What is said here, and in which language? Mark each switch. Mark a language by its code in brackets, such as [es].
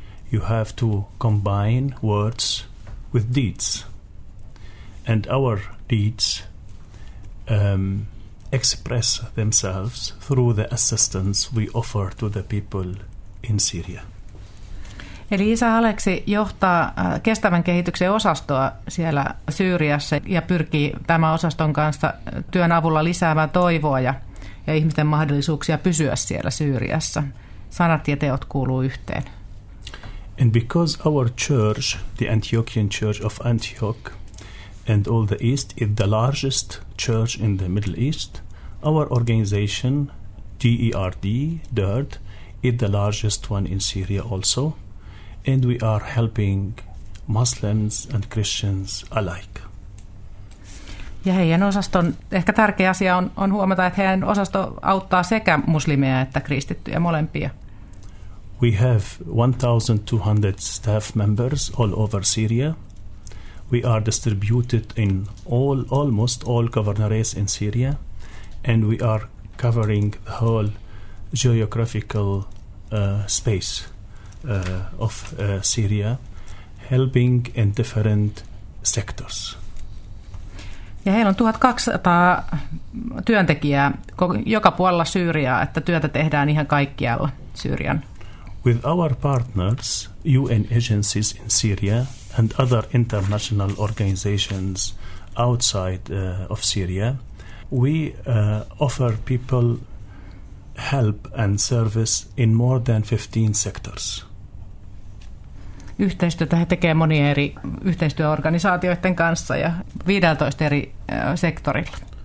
[en] You have to combine words with deeds. And our deeds express themselves through the assistance we offer to the people in Syria. [fi] Eli Isa Aleksi johtaa kestävän kehityksen osastoa siellä Syyriassa ja pyrkii tämän osaston kanssa työn avulla lisäämään toivoa ja ihmisten mahdollisuuksia pysyä siellä Syyriassa. Sanat ja teot kuuluu yhteen. [en] And because our church, the Antiochian Church of Antioch and all the East, is the largest church in the Middle East, our organization, DERD, DERD, is the largest one in Syria also. And we are helping Muslims and Christians alike. [fi] Ja heidän osaston, ehkä tärkeä asia on huomata, että heidän osasto auttaa sekä muslimeja että kristittyjä, molempia. [en] We have 1,200 staff members all over Syria. We are distributed in almost all governorates in Syria. And we are covering the whole geographical space of Syria, helping in different sectors. [fi] Ja heillä on 1,200 työntekijää joka puolella Syyriaa, että työtä tehdään ihan kaikkialla Syyrian. [en] With our partners, UN agencies in Syria and other international organizations outside of Syria, we offer people help and service in more than 15 sectors. [fi] Yhteistyötä he tekevät monien eri yhteistyöorganisaatioiden kanssa ja 15 eri sektorilla.